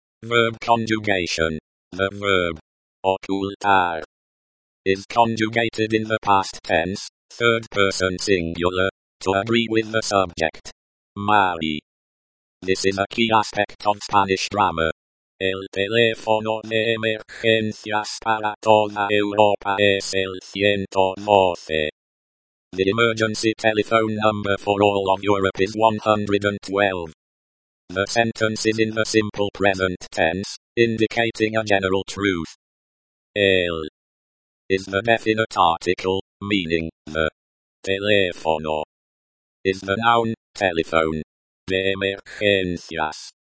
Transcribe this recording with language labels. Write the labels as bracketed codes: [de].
[en] Verb conjugation. The verb ocultar is conjugated in the past tense, third person singular, to agree with the subject. Mari. This is a key aspect of Spanish grammar. [es] El teléfono de emergencias para toda Europa es el 112. [en] The emergency telephone number for all of Europe is 112. The sentence is in the simple present tense, indicating a general truth. El is the definite article, meaning the teléfono is the noun, telephone, de emergencias.